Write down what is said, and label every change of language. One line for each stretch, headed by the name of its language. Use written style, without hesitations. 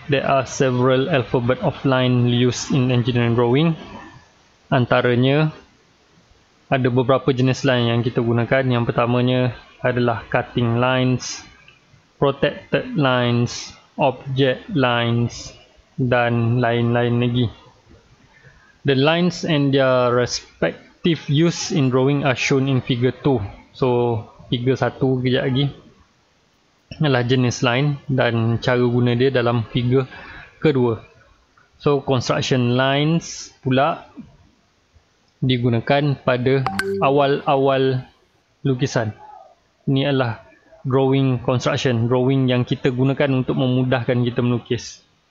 English: There are several alphabet of line used in engineering drawing.
Malay: Antaranya ada beberapa jenis line yang kita gunakan. Yang pertamanya adalah cutting lines, protected lines, object lines dan lain-lain lagi.
English: The lines and their respective use in drawing are shown in figure 2.
Malay: So, figure 1 kejap lagi. Ialah jenis line dan cara guna dia dalam figure kedua. So, construction lines pula digunakan pada awal-awal lukisan. Ini adalah drawing construction, drawing yang kita gunakan untuk memudahkan kita melukis.